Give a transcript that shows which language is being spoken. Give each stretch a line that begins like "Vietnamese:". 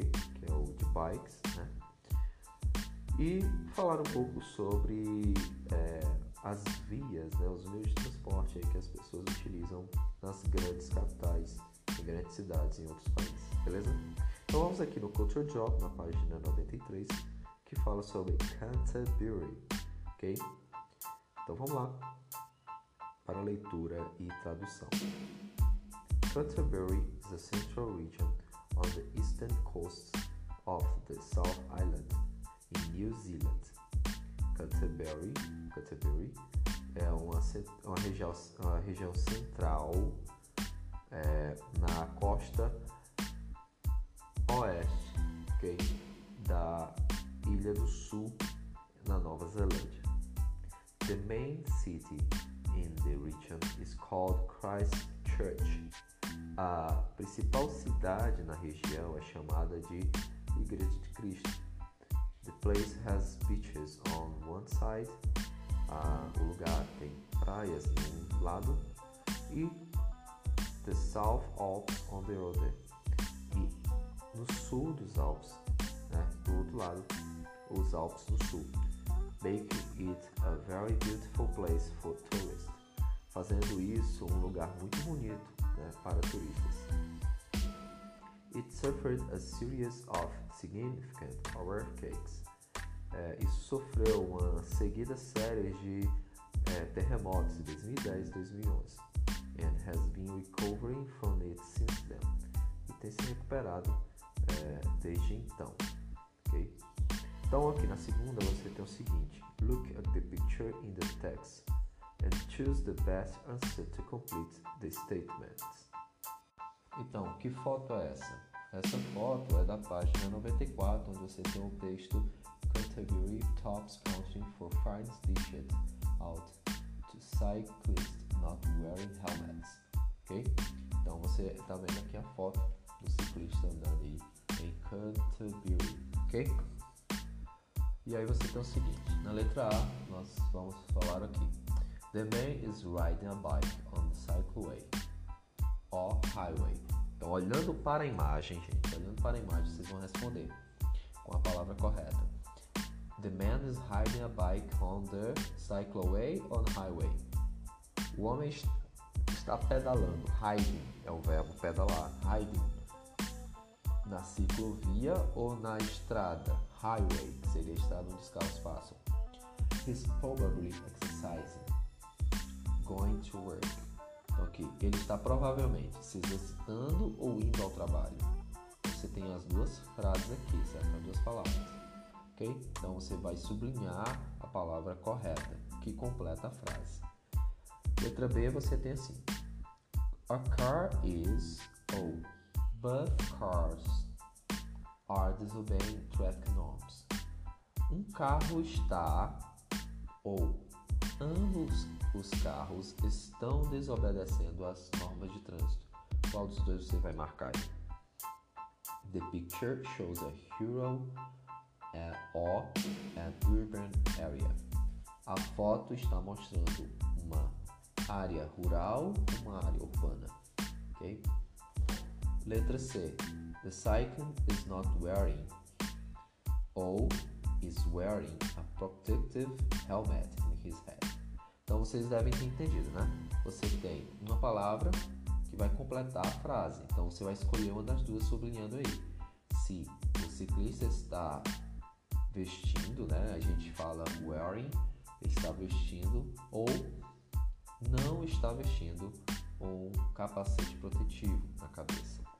Portuguese: Que é o de bikes, né? E falar um pouco sobre as vias, né? Os meios de transporte aí que as pessoas utilizam nas grandes capitais e grandes cidades em outros países, beleza? Então vamos aqui no Culture Job, na página 93, que fala sobre Canterbury, ok? Então vamos lá para a leitura e tradução.
English: Canterbury is a central region on the eastern coast of the South Island in New Zealand.
Portuguese: Canterbury é uma região central na costa oeste, ok? Da Ilha do Sul, na Nova Zelândia.
English: The main city in the region is called Christchurch.
Portuguese: A principal cidade na região é chamada de Igreja de Cristo.
English: The place has beaches on one side.
Portuguese: O lugar tem praias no lado.
English: E the South Alps on the other.
Portuguese: E no sul dos Alpes, né, do outro lado, os Alpes do Sul,
English: make it a very beautiful place for tourists.
Portuguese: Fazendo isso um lugar muito bonito, né, para turistas.
English: It suffered a series of significant earthquakes.
Portuguese: Isso sofreu uma seguida série de terremotos em 2010 e 2011.
English: And has been recovering from it since then.
Portuguese: E tem se recuperado desde então, ok? Então aqui na segunda você tem o seguinte:
English: look at the picture in the text and choose the best answer to complete the statement.
Portuguese: Então, que foto é essa? Essa foto é da página 94, onde você tem o texto
English: Canterbury tops country for fines dished out to cyclists not wearing helmets.
Portuguese: Ok? Então você está vendo aqui a foto do ciclista andando aí em Canterbury, ok? E aí você tem o seguinte, na letra A, nós vamos falar aqui.
English: The man is riding a bike on the cycleway, or highway.
Portuguese: Então, olhando para a imagem, gente, vocês vão responder com a palavra correta.
English: The man is riding a bike on the cycleway, on highway.
Portuguese: O homem está pedalando, riding, é o verbo pedalar, riding. Na ciclovia ou na estrada? Highway, que seria a estrada onde os carros passam.
English: He's probably exercising, going to work.
Portuguese: Então aqui, ele está provavelmente se exercitando ou indo ao trabalho. Você tem as duas frases aqui, certo? As duas palavras, ok? Então você vai sublinhar a palavra correta, que completa a frase. Letra B, você tem assim.
English: A car is, ou both cars are disobeying traffic norms.
Portuguese: Um carro está, ou ambos os carros estão desobedecendo as normas de trânsito. Qual dos dois você vai marcar aí?
English: The picture shows a rural or an urban area.
Portuguese: A foto está mostrando uma área rural ou uma área urbana, ok? Letra C.
English: The cyclist is not wearing or is wearing a protective helmet in his head.
Portuguese: Então vocês devem ter entendido, né? você tem uma palavra que vai completar a frase. Então você vai escolher uma das duas sublinhando aí. Se o ciclista está vestindo, né? A gente fala wearing, está vestindo, ou não está vestindo um capacete protetivo na cabeça.